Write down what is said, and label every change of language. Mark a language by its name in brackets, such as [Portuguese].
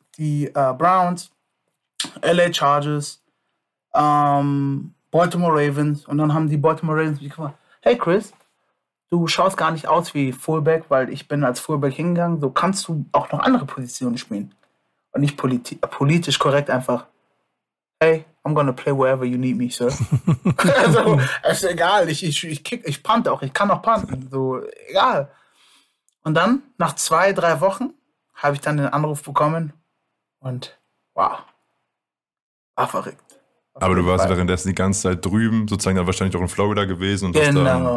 [German] Die Browns, LA Chargers, Baltimore Ravens. Und dann haben die Baltimore Ravens mich gefragt, hey Chris, du schaust gar nicht aus wie Fullback, weil ich bin als Fullback hingegangen. So kannst du auch noch andere Positionen spielen. Und nicht politisch korrekt einfach. [English] hey, I'm gonna play wherever you need me, sir. [German] Also, ist egal, ich punte auch, ich kann auch punten, so, egal. Und dann, nach 2-3 Wochen, habe ich dann den Anruf bekommen und wow, war verrückt. Aber du warst währenddessen die ganze Zeit drüben, sozusagen dann wahrscheinlich auch in Florida gewesen und genau.